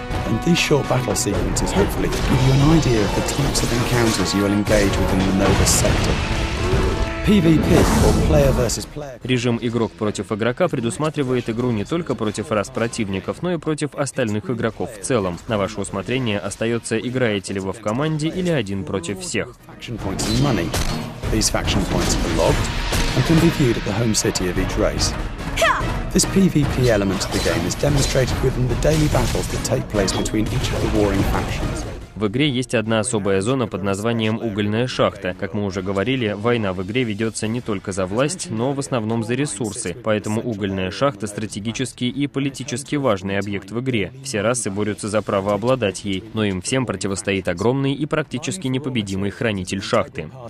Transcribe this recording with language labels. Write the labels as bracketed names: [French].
[English] And these short battle sequences hopefully give you an idea of the types of encounters you will engage with in the Nova Sector. PvP, or player versus player. [Russian] Режим «Игрок против игрока» предусматривает игру не только против рас противников, но и против остальных игроков в целом. На ваше усмотрение остается, играете ли вы в команде или один против всех. [English] Faction points and money. These faction points are logged and can be viewed at the home city of each race. This PvP element of the game is demonstrated within the daily battles that take place between each of the warring factions. [Russian] В игре есть одна особая зона под названием «Угольная шахта». Как мы уже говорили, война в игре ведется не только за власть, но в основном за ресурсы. Поэтому «Угольная шахта» — стратегически и политически важный объект в игре. Все расы борются за право обладать ей, но им всем противостоит огромный и практически непобедимый хранитель шахты.